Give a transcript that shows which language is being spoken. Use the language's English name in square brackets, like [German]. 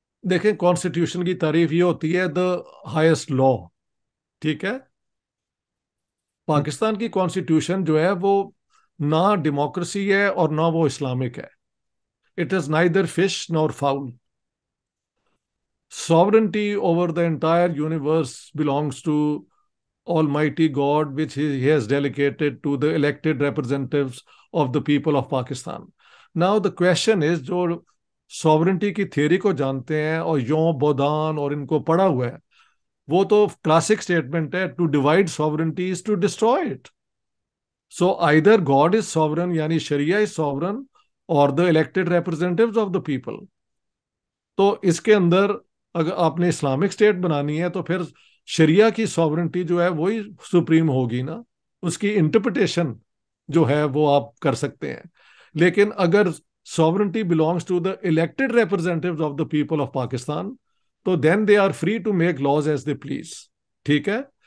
[Urdu] دیکھیں، کانسٹیٹیوشن کی تعریف یہ ہوتی ہے [English] the highest law, [Urdu] ٹھیک ہے؟ پاکستان کی کانسٹیٹیوشن جو ہے وہ نہ ڈیموکریسی ہے اور نہ وہ اسلامک ہے۔ [English] It is neither fish nor fowl. Sovereignty over the entire universe belongs to Almighty God, which he has delegated to the elected representatives of the people of Pakistan. Now the question is, [Urdu] جو sovereignty کی theory کو جانتے ہیں اور یوم بودان اور ان کو پڑھا ہوا ہے، وہ تو classic statement ہے، [English] to divide sovereignty is to destroy it. So either God is sovereign, [Urdu] یعنی [English] شریعہ is sovereign, or the elected representatives of the people. [Urdu] تو اس کے اندر اگر آپ نے اسلامک اسٹیٹ بنانی ہے تو پھر شریعہ کی سوورنٹی جو ہے وہی سپریم ہوگی نا، اس کی انٹرپریٹیشن جو ہے وہ آپ کر سکتے ہیں۔ لیکن اگر [English] sovereignty belongs to the elected representatives of the people of Pakistan, [Urdu] تو [English] then they are free to make laws as they please, [Urdu] ٹھیک ہے؟